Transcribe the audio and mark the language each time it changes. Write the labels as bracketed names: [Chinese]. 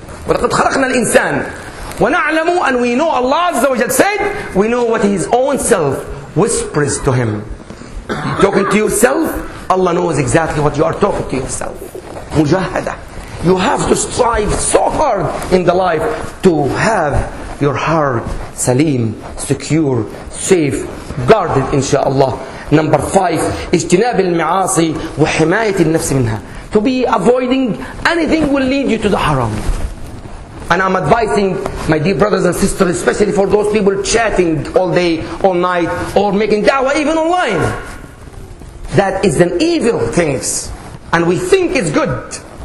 [Arabic] وَلَقَدْ خَلَقْنَا الْإِنسَانِ وَنَعْلَمُ, [English] and we know, Allah Azza wa Jal said, we know what his own self whispers to him. Talking to yourself, Allah knows exactly what you are talking to yourself. [Arabic] مُجَاهَدَة. [English] You have to strive so hard in the life to have your heart saleem, secure, safe, guarded, inshaAllah. Number five, [Arabic] اجتناب المعاصي وحماية النفس منها. [English] To be avoiding anything will lead you to the haram. And I'm advising my dear brothers and sisters, especially for those people chatting all day, all night, or making da'wah even online. That is an evil thing. And we think it's good.